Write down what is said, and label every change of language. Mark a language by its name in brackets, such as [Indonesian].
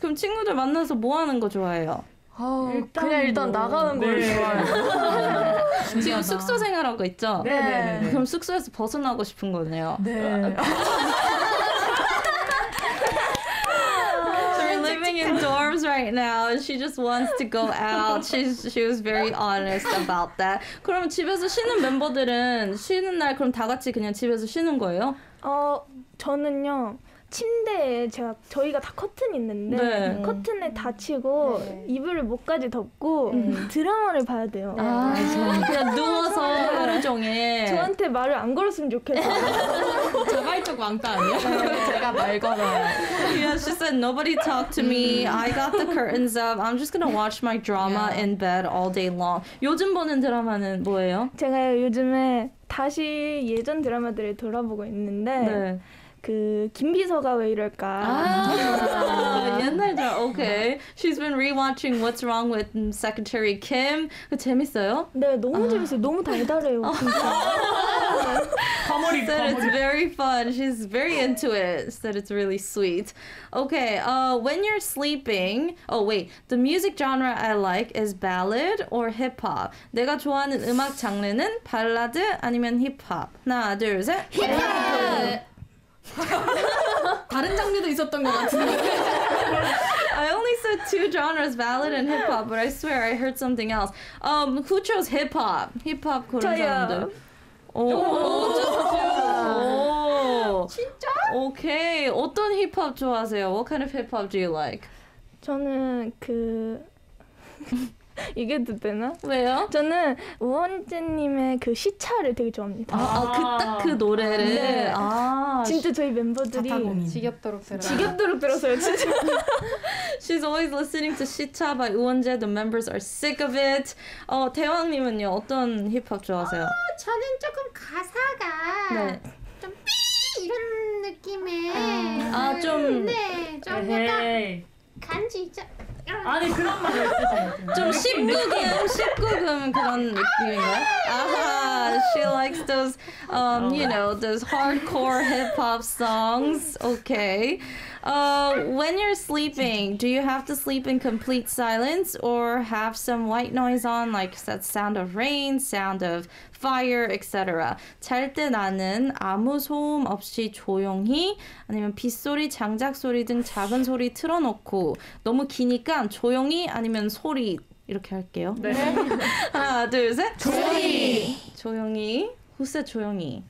[Korean] 그럼 친구들 만나서 뭐 하는 거 좋아해요? 일단 나가는 걸 좋아해요. 지금 숙소 생활하고 있죠? 네. 그럼 숙소에서 벗어나고 싶은 거네요. 네. [English] So we're living in dorms right now and she just wants to go out. She was very honest about that. [Korean] 그럼 집에서 쉬는 멤버들은 쉬는 날 그럼 다 같이 그냥 집에서 쉬는 거예요? 저는요. 침대에 저희가 다 커튼 있는데 네. 커튼에 다 치고 이불을 목까지 덮고 드라마를 봐야 돼요. 아, 그냥 누워서 하루 종일 저한테 말을 안 걸었으면 좋겠어요. 자발적 왕따 아니야? 제가 말 걸어요. [English] Yeah, she said nobody talk to me. I got the curtains up. I'm just gonna watch my drama yeah. in bed all day long. [Korean] 요즘 보는 드라마는 뭐예요? 제가 요즘에 다시 예전 드라마들을 돌아보고 있는데 네. 그 김비서가 왜 이럴까? 옛날 드라마. Okay. [English] She's been rewatching What's Wrong with Secretary Kim. [Korean] 그 재밌어요? 네, 너무 재밌어요. 너무 달달해요. 가머리. [English] Said it's very fun. She's very into it. Said it's really sweet. Okay. When you're sleeping. Oh wait. The music genre I like is ballad or hip hop. [Korean] 내가 좋아하는 음악 장르는 발라드 아니면 힙합. 하나, 둘, 셋. 힙합. 다른 장르도 있었던 것 같은데. [English] I only said two genres, ballad and hip hop, but I swear I heard something else. Who chose hip hop? Hip hop [Korean] 그런 사람들. 오, 진짜? Okay. 어떤 힙합 hip-hop 좋아하세요? [English] What kind of hip hop do you like? [Korean] 저는 그 이게 또 되나? 왜요? 저는 우원재님의 그 시차를 되게 좋아합니다. 그 노래를? 네. 아, 진짜 저희 멤버들이 지겹도록 들었어요. 진짜. [English] She's always listening to 시차 by 우원재. The members are sick of it. [Korean] 대왕님은요? 어떤 힙합 좋아하세요? 저는 조금 가사가 네. 좀 삐! 이런 느낌의 좀 네, 좀 약간 간지 있죠? 아니 그런 말이야. 좀 19금 그런 느낌인가요? [English] 아하, she likes those, you know, those hardcore hip hop songs. Okay. When you're sleeping, do you have to sleep in complete silence or have some white noise on, like that sound of rain, sound of fire, etc.? [Korean] 잘 때 나는 아무 소음 없이 조용히 아니면 빗소리, 장작 소리 등 작은 소리 틀어놓고 너무 기니까 조용히 아니면 소리 이렇게 할게요. 네. 하나, 둘, 셋. 조용히. 조용히. [English] Who said 조용히?